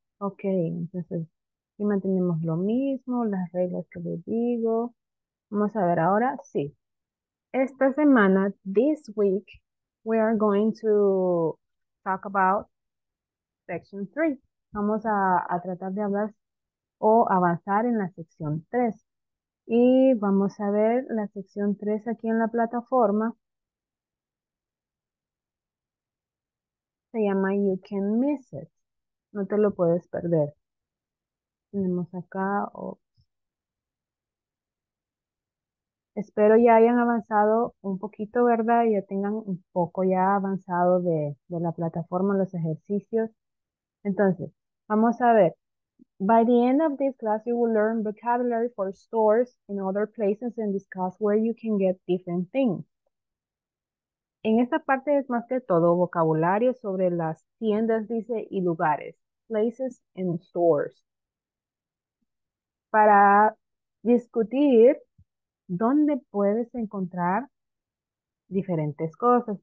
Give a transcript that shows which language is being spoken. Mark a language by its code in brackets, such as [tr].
[es] Ok, entonces aquí mantenemos lo mismo, las reglas que les digo. Vamos a ver ahora. Sí, esta semana, [en] this week, we are going to talk about section 3. [es] Vamos a tratar de hablar o avanzar en la sección 3. Y vamos a ver la sección 3 aquí en la plataforma. Se llama You Can Miss It. No te lo puedes perder. Tenemos acá. Oops. Espero ya hayan avanzado un poquito, ¿verdad? Ya tengan un poco ya avanzado de la plataforma, los ejercicios. Entonces, vamos a ver. [en] By the end of this class, you will learn vocabulary for stores in other places and discuss where you can get different things. [es] En esta parte es más que todo vocabulario sobre las tiendas, dice, y lugares. [en] Places and stores. [es] Para discutir dónde puedes encontrar diferentes cosas.